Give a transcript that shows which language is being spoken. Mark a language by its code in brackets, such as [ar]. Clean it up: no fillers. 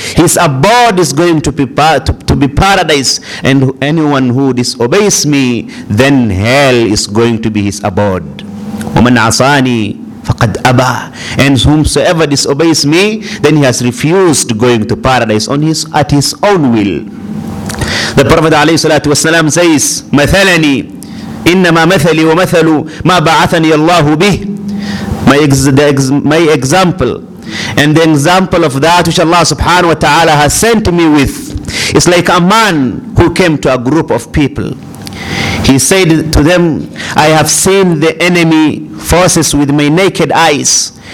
[en] His abode is going to be paradise. And anyone who disobeys me, then hell is going to be his abode. [ar] وَمَنْ عَصَانِي فَقَدْ أَبَى. [en] And whomsoever disobeys me, then he has refused going to paradise at his own will. The Prophet [ar] عليه الصلاة والسلام [en] says, [ar] مَثَلَنِي إِنَّمَا مَثَلِي وَمَثَلُ مَا بَعَثَنِيَ اللَّهُ بِهِ. [en] My example and the example of that which Allah subhanahu wa ta'ala has sent me with is like a man who came to a group of people. He said to them, I have seen the enemy forces with my naked eyes.